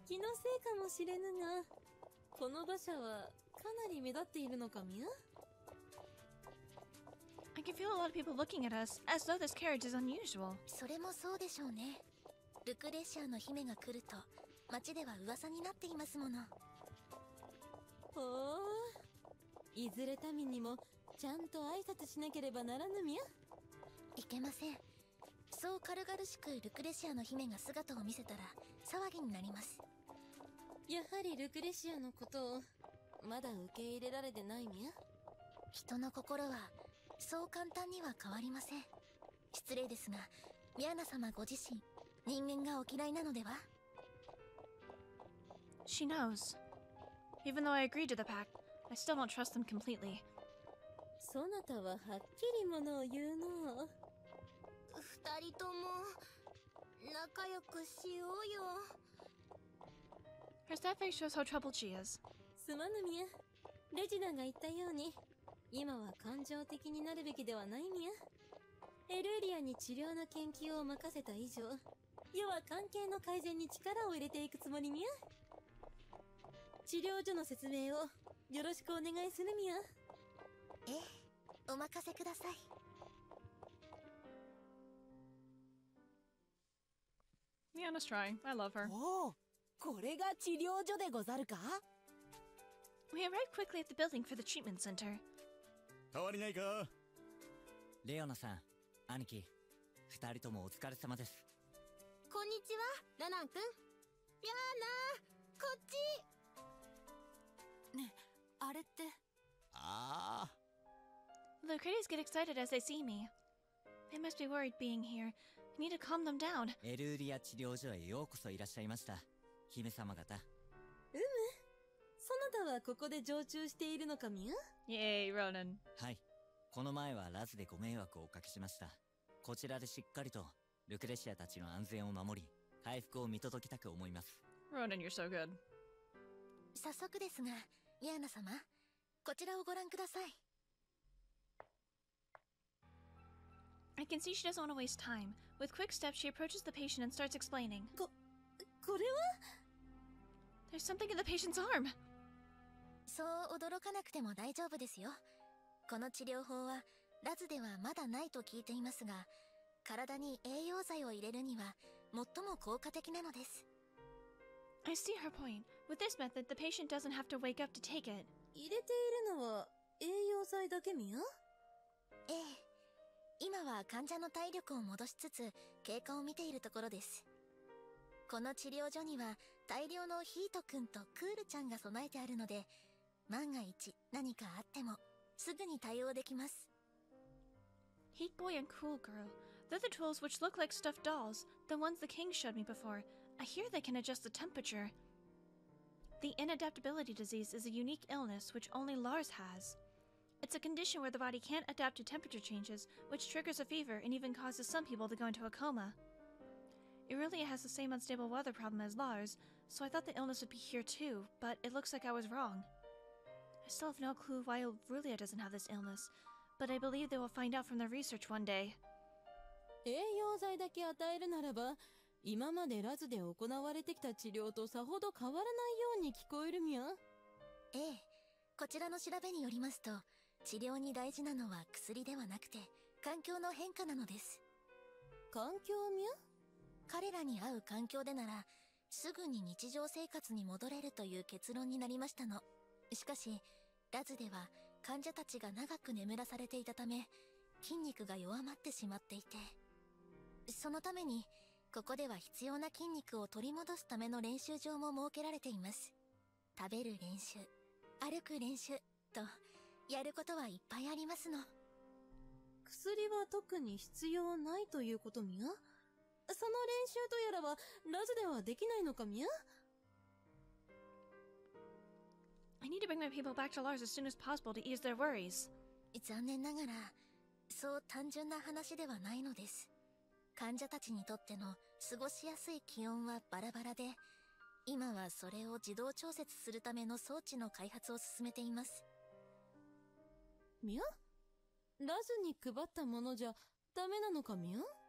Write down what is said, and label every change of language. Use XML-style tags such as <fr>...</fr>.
<ja>気のせいかもしれぬが、この馬車はかなり目立っているのかミア。</ja> <en>I can feel a lot of people looking at us, as though this carriage is unusual.</en> <ja>それもそうでしょうね。ルクレシアの姫が来ると、町では噂になっていますもの。ほー。いずれ民にも、ちゃんと挨拶しなければならぬみゃ。いけません。そう軽々しくルクレシアの姫が姿を見せたら、騒ぎになります。やはりルクレシアのことを、まだ受け入れられてないみゃ。人の心は、そう簡単には変わりません。失礼ですが、ミアナ様ご自身、人間がお嫌いなのでは？</ja> <en>She knows. Even though I agreed to the pact, I still don't trust them completely.</en> <ja>そなたははっきりものを言うの。二人とも、仲良くしようよ。</ja> <en>Her sad face shows how troubled she is.</en> <ja>すまぬミア。レジナが言ったように。今は感情的になるべきではないみゃ。エルーリアに治療の研究を任せた以上、世は関係の改善に力を入れていくつもりみゃ。治療所の説明をよろしくお願いするみや。ええ、お任せください。</ja> <en>Miana's trying. I love her.</en> <ja>Oh, これが治療所でござるか?</ja> <en>We arrived quickly at the building for the treatment center.</en> <ja>変わりないか? レオナさん、兄貴、二人ともお疲れ様です。こんにちは、ラナン君。ミアナ、こっち。ね、あれって。ああ。</ja> <en>The critics get excited as they see me. They must be worried being here. Need to calm them down.</en> <ja>エルーリア治療所へようこそいらっしゃいました、姫様方。うむ、そなたはここで常駐しているのかみゃ。イエーイ、ローナン。はい、この前はラズでご迷惑をおかけしました。こちらでしっかりとルクレシアたちの安全を守り、回復を見届けたく思います。</ja> <en>ローナン、you're so good。</en> <ja>早速ですが、イアナ様、こちらをご覧ください。</ja> <en>I can see she doesn't want to waste time. With quick steps, she approaches the patient and starts explaining.</en> <ja>これは?</ja> <en>There's something in the patient's arm!</en> <ja>そう驚かなくても大丈夫ですよ。この治療法は、ラズではまだないと聞いていますが、体に栄養剤を入れるには最も効果的なのです。</ja> <en>I see her point. With this method, the patient doesn't have to wake up to take it.</en> <ja>入れているのは栄養剤だけみよ? ええ。今は患者の体力を戻しつつ経過を見ているところです。この治療所には大量のヒート君とクールちゃんが備えてあるので、万が一何かあってもすぐに対応できます。</ja> <en>ヒートボーイ and クールガール、 they're the tools which look like stuffed dolls, the ones the king showed me before. I hear they can adjust the temperature. The inadaptability disease is a unique illness which only Lars has. It's a condition where the body can't adapt to temperature changes, which triggers a fever and even causes some people to go into a coma. Irelia has the same unstable weather problem as Lars, so I thought the illness would be here too, but it looks like I was wrong. I still have no clue why Irelia doesn't have this illness, but I believe they will find out from their research one day.</en> <ja>栄養剤だけ与えるならば、今までラズで行われてきた治療とさほど変わらないように聞こえるみゃ。ええ、こちらの調べによりますと、治療に大事なのは薬ではなくて環境の変化なのです。環境みゃ。彼らに合う環境でならすぐに日常生活に戻れるという結論になりましたの。しかしラズでは患者たちが長く眠らされていたため、筋肉が弱まってしまっていて、そのためにここでは必要な筋肉を取り戻すための練習場も設けられています。食べる練習、歩く練習とやることはいっぱいありますの。薬は特に必要ないということみゃ。その練習とやらはラズではできないのかみゃ。</ja> <en>I need to bring my people back to Lars as soon as possible to ease their worries.</en> <ja>残念ながらそう単純な話ではないのです。患者たちにとっての過ごしやすい気温はバラバラで、今はそれを自動調節するための装置の開発を進めています。みゃ、ラズに配ったものじゃダメなのかみゃ。</ja>